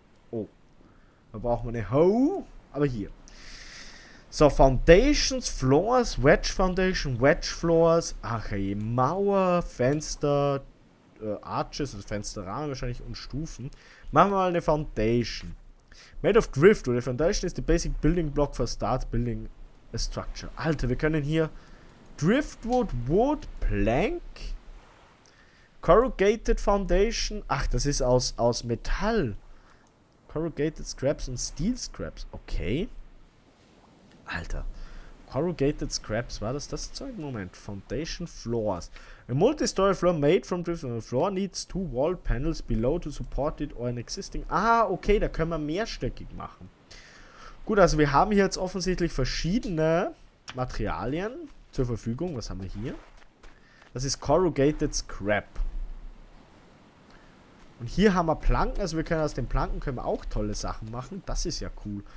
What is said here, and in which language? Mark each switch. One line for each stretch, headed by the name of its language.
German: Oh, da brauchen wir eine Hoe. Aber hier. So, Foundations, Floors, Wedge Foundation, Wedge Floors, ach hey, Mauer, Fenster, Arches, also Fensterrahmen wahrscheinlich und Stufen. Machen wir mal eine Foundation.
English: Made of Drift,
German: oder
English: Foundation is the basic building block for start building a structure.
German: Alter, wir können hier Driftwood, Wood, Plank, Corrugated Foundation, ach, das ist aus Metall. Corrugated Scraps und Steel Scraps, okay. Alter, Corrugated Scraps, war das Zeug? Moment, Foundation Floors.
English: A multi-story floor made from drift on the floor needs 2 wall panels below to support it or an existing...
German: Ah, okay, da können wir mehrstöckig machen. Gut, also wir haben hier jetzt offensichtlich verschiedene Materialien zur Verfügung. Was haben wir hier? Das ist Corrugated Scrap. Und hier haben wir Planken, also wir können aus den Planken können wir auch tolle Sachen machen. Das ist ja cool.